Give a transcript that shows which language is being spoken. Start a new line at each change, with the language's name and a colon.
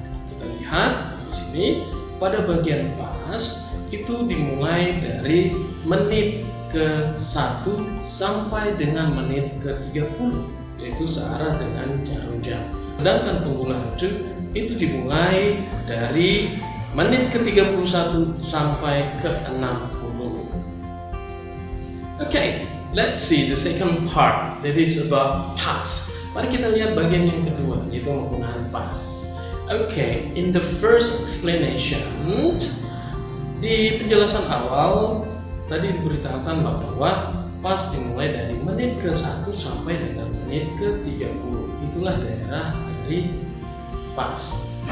Indonesian: Kita lihat di sini pada bagian pas itu dimulai dari menit ke 1 sampai dengan menit ke 30, yaitu searah dengan jarum jam. Sedangkan penggunaan to itu dimulai dari menit ke 31 sampai ke 60.
English: Okay. Let's see the second part, that is about past.
Indonesian: Mari kita lihat bagian yang kedua, yaitu penggunaan past.
English: Okay, in the first explanation,
Indonesian: di penjelasan awal, tadi diberitahukan bahwa past dimulai dari menit ke 1 sampai dengan menit ke 30. Itulah daerah dari past.